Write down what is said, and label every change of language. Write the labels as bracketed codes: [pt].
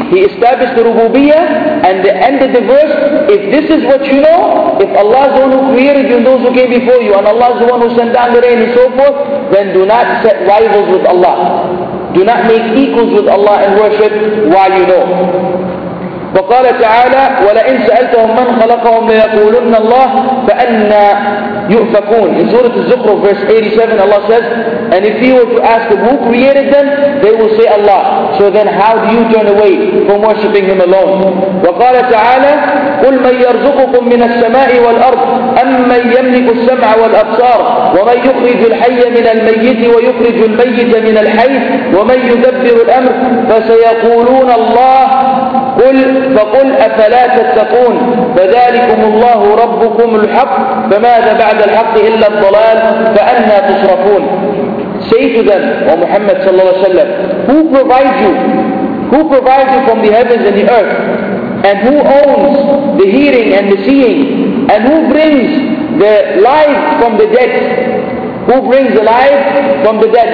[en] He established the rububiyyah, and the end of the verse, if this is what you know, if Allah is the one who created you and those who came before you, and Allah is the one who sent down the rain and so forth, then do not set rivals with Allah. Do not make equals with Allah in worship while you know. [ar] وقال تعالى ولئن سألتهم من خلقهم ليقولن الله فأنا يؤفكون. [en] In Surah Az-Zukhruf verse 87 Allah says, and if you were to ask them who created them, they will say Allah. So then how do you turn away from worshipping Him alone? [ar] وقال تعالى قل من يرزقكم من السماء والأرض أمن يملك السمع والأبصار ومن يخرج الحي من الميت ويخرج الميت من الحي ومن يدبر الأمر فسيقولون الله قل فقل أفلا تتقون فذلكم الله ربكم الحق فماذا بعد الحق إلا الضلال فأنى تصرفون. [en] Say to them, O Muhammad [ar] صلى الله عليه وسلم, [en] who provides you? Who provides you from the heavens and the earth? And who owns the hearing and the seeing? And who brings the life from the dead? Who brings the life from the dead?